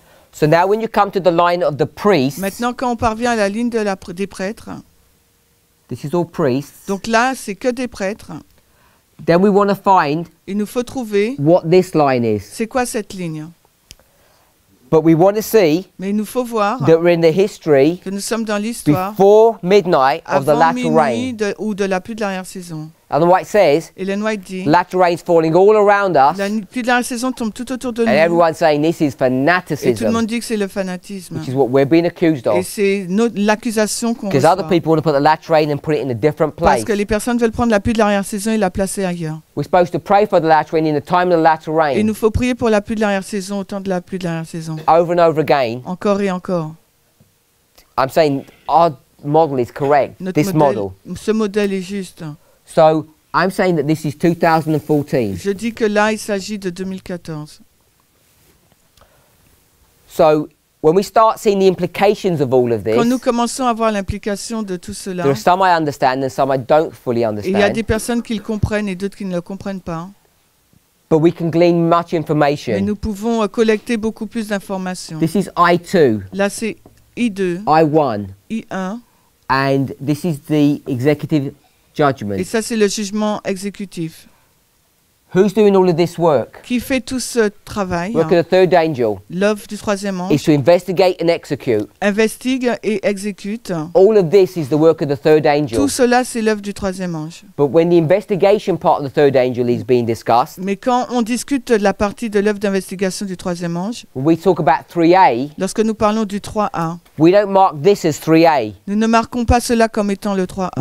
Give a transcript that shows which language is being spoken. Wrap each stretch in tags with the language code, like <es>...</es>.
<en>So now, when you come to the line of the priests.</en> <fr>Maintenant, quand on parvient à la ligne des prêtres.</fr> <en>This is all priests.</en> <fr>Donc là, c'est que des prêtres.</fr> <en>Then we want to find.</en> <fr>Il nous faut trouver.</fr> <en>What this line is.</en> <fr>C'est quoi cette ligne?</fr> <en>But we want to see.</en> <fr>Mais il nous faut voir.</fr> <en>That we're in the history.</en> <fr>Que nous sommes dans l'histoire.</fr> <en>Before midnight of the latter rain.</en> <fr>Avant minuit ou de la pluie de l'arrière saison.</fr> <en>Ellen White says.</en> <fr>Ellen White dit.</fr> <en>Latter rain is falling all around us.</en> <fr>La pluie de l'arrière saison tombe tout autour de nous.</fr> <en>And everyone's saying this is fanaticism.</en> <fr>Et tout le monde dit que c'est le fanatisme.</fr> <en>Which is what we're being accused of.</en> <fr>Et c'est l'accusation qu'on.</fr> <en>Because other people want to put the latter rain and put it in a different place.</en> <fr>Parce que les personnes veulent prendre la pluie de l'arrière saison et la placer ailleurs.</fr> <en>We're supposed to pray for the latter rain in the time of the latter rain.</en> <fr>Il nous faut prier pour la pluie de l'arrière saison au temps de la pluie de l'arrière saison.</fr> <en>Over and over again.</en> <fr>Encore et encore.</fr> <en>I'm saying our model is correct.</en> <fr>Notre</fr> <en>this</en> <fr>modèle, ce modèle est juste.</fr> <en>So I'm saying that this is 2014.</en> <fr>Je dis que là il s'agit de 2014.</fr> <en>So when we start seeing the implications of all of this.</en> <fr>Quand nous commençons à voir l'implication de tout cela.</fr> <en>There are some I understand and some I don't fully understand.</en> <fr>Il y a des personnes qui le comprennent et d'autres qui ne le comprennent pas.</fr> <en>But we can glean much information.</en> <fr>Mais nous pouvons collecter beaucoup plus d'informations.</fr> <en>This is I2.</en> <fr>Là c'est I2.</fr> <en>I1.</en> <fr>I1.</fr> <en>And this is the executive judgment.</en> <fr>Et ça c'est le jugement exécutif.</fr> <en>Who's doing all of this work?</en> <fr>Qui fait tout ce travail?</fr> <en>Look at the third angel.</en> <fr>L'œuvre du troisième ange.</fr> <en>Is to investigate and execute.</en> <fr>Investigue et exécute.</fr> <en>All of this is the work of the third angel.</en> <fr>Tout cela c'est l'œuvre du troisième ange.</fr> <en>But when the investigation part of the third angel is being discussed.</en> <fr>Mais quand on discute de la partie de l'œuvre d'investigation du troisième ange.</fr> <en>When we talk about 3A.</en> <fr>Lorsque nous parlons du 3A.</fr> <en>We don't mark this as 3A.</en> <fr>Nous ne marquons pas cela comme étant le 3A.</fr>